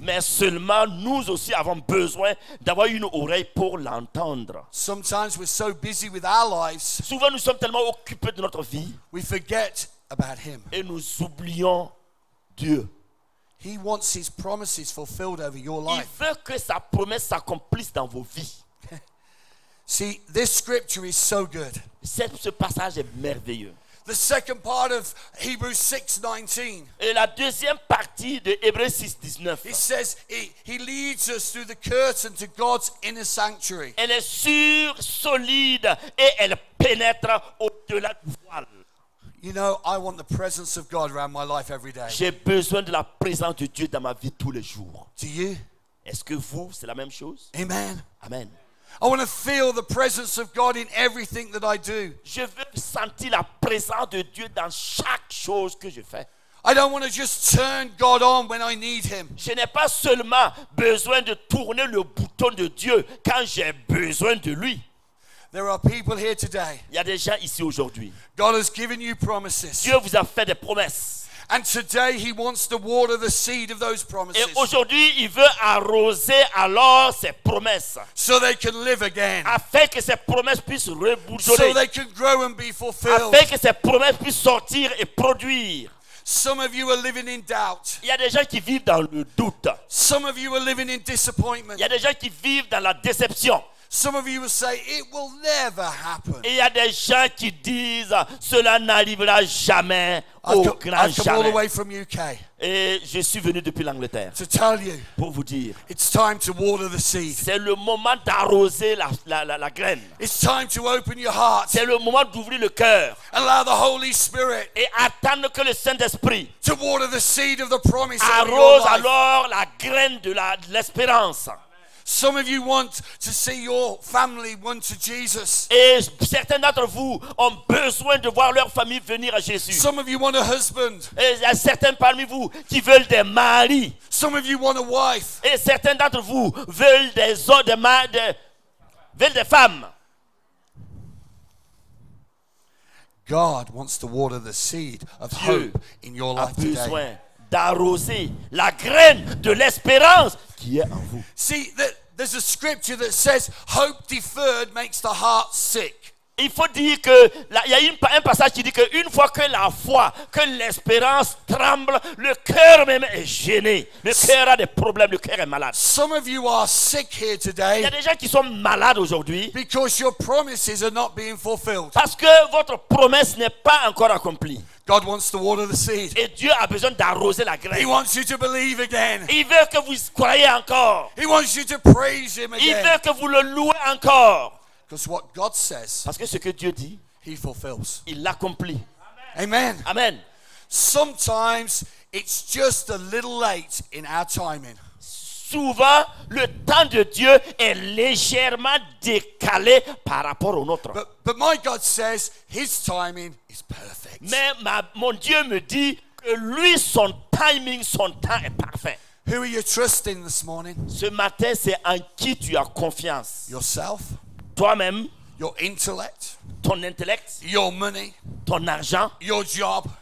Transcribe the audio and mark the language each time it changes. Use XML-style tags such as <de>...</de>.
<fr>Mais seulement nous aussi avons besoin d'avoir une oreille pour l'entendre.</fr> <en>Sometimes we're so busy with our lives.</en> <fr>Souvent nous sommes tellement occupés de notre vie.</fr> <en>We forget about Him.</en> <fr>Et nous oublions Dieu.</fr> <en>He wants His promises fulfilled over your life.</en> <fr>Il veut que sa promesse s'accomplisse dans vos vies.</fr> <en>See, this scripture is so good.</en> <fr>Ce passage est merveilleux.</fr> <en>The second part of Hebrews 6:19.</en> <fr>Et la deuxième partie de Hébreux 6:19.</fr> <en>It says he leads us through the curtain to God's inner sanctuary.</en> <fr>Elle est sûre, solide et elle pénètre au-delà du voile.</fr> <en>You know, I want the presence of God around my life every day.</en> <fr>J'ai besoin de la présence de Dieu dans ma vie tous les jours.</fr> <en>Do you?</en> <fr>Est-ce que vous, c'est la même chose?</fr> <en>Amen.</en> <fr>Amen.</fr> <en>I want to feel the presence of God in everything that I do.</en> <fr>Je veux sentir la présence de Dieu dans chaque chose que je fais.</fr> <en>I don't want to just turn God on when I need Him.</en> <fr>Je n'ai pas seulement besoin de tourner le bouton de Dieu quand j'ai besoin de lui.</fr> <en>There are people here today.</en> <fr>Il y a des gens ici aujourd'hui.</fr> <en>God has given you promises.</en> <fr>Dieu vous a fait des promesses.</fr> <en>And today He wants to water the seed of those promises.</en> <fr>Et aujourd'hui, il veut arroser alors ces promesses.</fr> <en>So they can live again.</en> <fr>Afin que ces promesses puissent rebourgeonner.</fr> <en>So they can grow and be fulfilled.</en> <fr>Afin que ces promesses puissent sortir et produire.</fr> <en>Some of you are living in doubt.</en> <fr>Il y a des gens qui vivent dans le doute.</fr> <en>Some of you are living in disappointment.</en> <fr>Il y a des gens qui vivent dans la déception.</fr> <en>Some of you will say it will never happen.</en> <fr>Il y a des gens qui disent cela n'arrivera jamais au grand jamais.</fr> <en>I come all the way from UK.</en> <fr>Et je suis venu depuis l'Angleterre.</fr> <en>To tell you.</en> <fr>Pour vous dire.</fr> <en>It's time to water the seed.</en> <fr>C'est le moment d'arroser la graine.</fr> <en>It's time to open your heart.</en> <fr>C'est le moment d'ouvrir le cœur.</fr> <en>Allow the Holy Spirit.</en> <fr>Et attendre que le Saint-Esprit.</fr> <en>To water the seed of the promise.</en> <fr>Arrose alors la graine de l'espérance.</fr> <en>Some of you want to see your family run to Jesus.</en> <fr>Et certains d'entre vous ont besoin de voir leur famille venir à Jésus.</fr> <en>Some of you want a husband.</en> <fr>Et il y a certains parmi vous qui veulent des maris.</fr> <en>Some of you want a wife.</en> <fr>Et certains d'entre vous veulent des femmes.</fr> <en>God wants to water the seed of</en> <fr>Dieu</fr> <en>hope in your life today.</en> <fr>A besoin d'arroser la graine de l'espérance.</fr> <en>See, there's a scripture that says hope deferred makes the heart sick.</en> <fr>Il faut dire que il y a un passage qui dit que une fois que la foi, que l'espérance tremble, le cœur même est gêné. Le cœur a des problèmes, le cœur est malade.</fr> <en>Some of you are sick here today.</en> <fr>Il y a des gens qui sont malades aujourd'hui.</fr> <en>Because your promises are not being fulfilled.</en> <fr>Parce que votre promesse n'est pas encore accomplie.</fr> <en>God wants to water the seed.</en> <fr>Et Dieu a besoin d'arroser la graine.</fr> <en>He wants you to believe again.</en> <fr>Il veut que vous croyiez encore.</fr> <en>He wants you to praise him again.</en> <fr>Il veut que vous le louez encore.</fr> <en>Because what God says,</en> <fr>parce que ce que Dieu dit,</fr> <en>he fulfills.</en> <fr>Il l'accomplit.</fr> <en>Amen.</en> <fr>Amen.</fr> <en>Sometimes it's just a little late in our timing.</en> <fr>Souvent, le temps de Dieu est légèrement décalé par rapport au nôtre.</fr> <en>But my God says his timing is perfect.</en> <fr>Mais mon Dieu me dit que lui, son timing, son temps est parfait.</fr> <en>Who are you trusting this morning?</en> <fr>Ce matin, c'est en qui tu as confiance?</fr> <en>Yourself.</en> <fr>Toi-même,</fr> <en>your intellect,</en> <fr>ton intellect,</fr> <en>your money,</en> <fr>ton argent,</fr> <en>your job,</en>